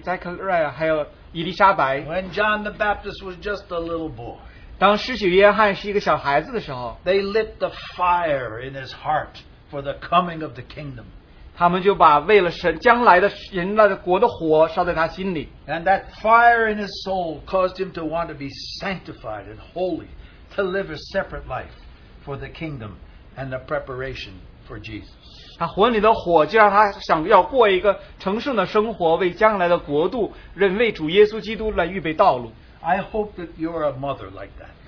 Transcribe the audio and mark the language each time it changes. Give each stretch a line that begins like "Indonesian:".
Chinese: 就像圣经里的撒加利、撒克利亚还有伊丽莎白。
English: When John the Baptist was just a little boy.
Chinese: 当施洗约翰是一个小孩子的时候,
English: they lit the fire in his heart for the coming of the kingdom.
Chinese: 他们就把为了神将来的人类的国的火烧在他心里。
English: And that fire in his soul caused him to want to be sanctified and holy, to live a separate life for the kingdom and the preparation for Jesus.
Chinese: 他魂里的火就让他想要过一个成圣的生活，为将来的国度，为主耶稣基督来预备道路。
English: I hope that you're a mother like that.